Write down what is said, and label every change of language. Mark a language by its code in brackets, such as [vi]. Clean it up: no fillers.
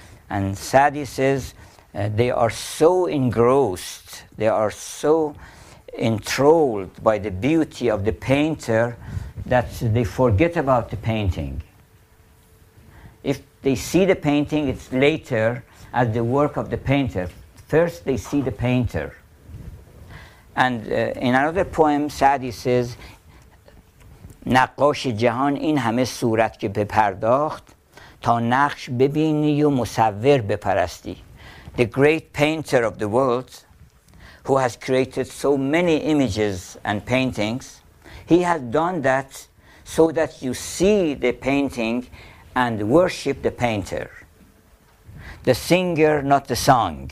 [en] And Sadi says they are so engrossed, they are so enthralled by the beauty of the painter that they forget about the painting. If they see the painting, it's later as the work of the painter. First they see the painter. And in another poem, Sadi says, [fa] نقاش جهان این همه صورت که بپرداخت تا نقش ببینی و مصور بپرستی. [en] The great painter of the world, who has created so many images and paintings, he has done that so that you see the painting and worship the painter. The singer, not the song.